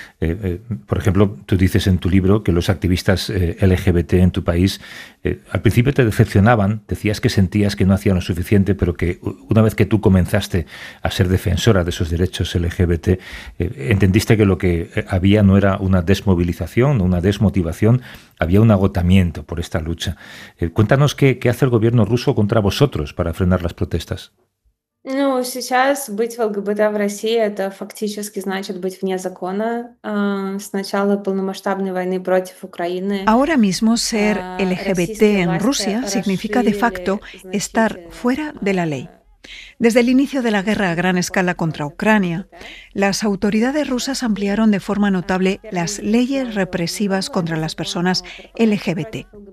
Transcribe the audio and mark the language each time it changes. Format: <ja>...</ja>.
<es>Por ejemplo, tú dices en tu libro que los activistas LGBT en tu país al principio te decepcionaban, decías que sentías que no hacían lo suficiente, pero que una vez que tú comenzaste a ser defensora de esos derechos LGBT, entendiste que lo que había no era una desmovilización, una desmotivación, había un agotamiento por esta lucha. Cuéntanos qué hace el gobierno ruso contra vosotros para frenar las protestas.</es> <ru>Ну, сейчас быть ЛГБТ в России – это фактически значит быть вне закона с начала полномасштабной войны против Украины.</ru> <es>Ahora mismo ser LGBT en Rusia significa de facto estar fuera de la ley. Desde el inicio de la guerra a gran escala contra Ucrania, las autoridades rusas ampliaron de forma notable las leyes represivas contra las personas LGBT.</es>